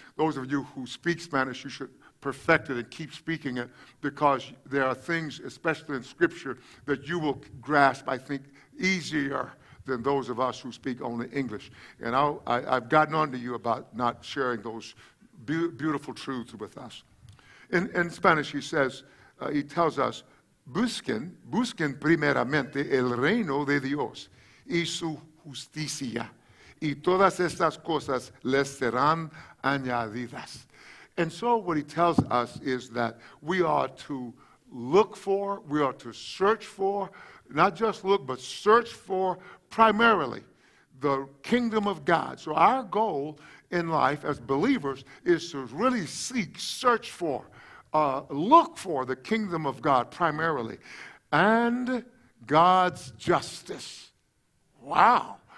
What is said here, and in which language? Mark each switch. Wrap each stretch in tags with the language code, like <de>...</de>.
<en>Those of you who speak Spanish, you should perfect it and keep speaking it, because there are things, especially in Scripture, that you will grasp, I think, easier than those of us who speak only English. And I've gotten on to you about not sharing those beautiful truths with us. In Spanish, he tells us,</en> <es>busquen primeramente el reino de Dios y su justicia, y todas estas cosas les serán añadidas.</es> <en>And so what he tells us is that we are to look for, we are to search for, not just look, but search for primarily the kingdom of God. So our goal in life as believers is to really seek, search for, look for the kingdom of God primarily, and God's justice. Wow.</en>